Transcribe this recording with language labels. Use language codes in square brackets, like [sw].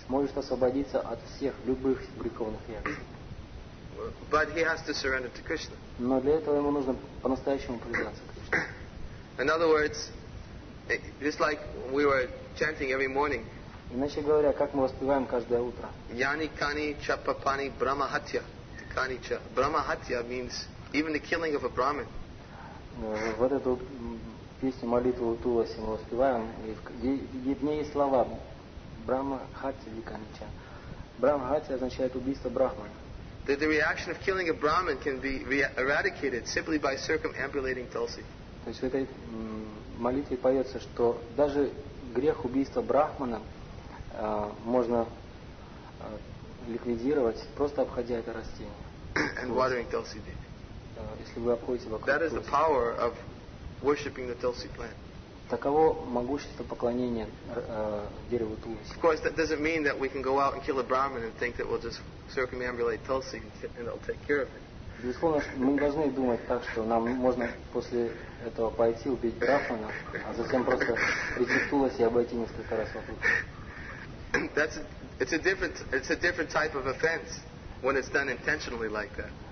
[ru] Может освободиться от всех любых греховных реакций. [en] But he has to surrender to Krishna. [ru] Но для этого ему нужно по-настоящему предаться Кришне. [en] In other words, just like we were chanting every morning. [ru] Иначе говоря, как мы воспеваем каждое утро. [sa] Yani kani cha papani brahmahatya. Kani cha. [en] Brahmahatya means even the killing of a brahmin. [ru] Вот эту песню молитву Туласи мы воспеваем, и в ней есть слова брахмахатья или кани ча. Брахмахатья означает убийство брахмана. [en] That the reaction of killing a brahmin can be eradicated simply by circumambulating tulsi. [ru] То есть в этой молитве поется, что даже грех убийства брахмана можно ликвидировать, просто обходя это растение. [en] And watering tulsi. [ru] Если вы обходите вокруг. [en] That is the power of worshiping the tulsi plant. [ru] Таково могущество поклонения дереву тулси. [en] Of course, that doesn't mean that we can go out and kill a brahmin and think that we'll just circumambulate tulsi and it'll take care of it. [ru] Безусловно, мы не должны думать так, что нам можно после этого пойти убить брахмана, а затем просто прийти в Туласи и обойти несколько раз вокруг. [en] It's a different type of offense when it's done intentionally like that.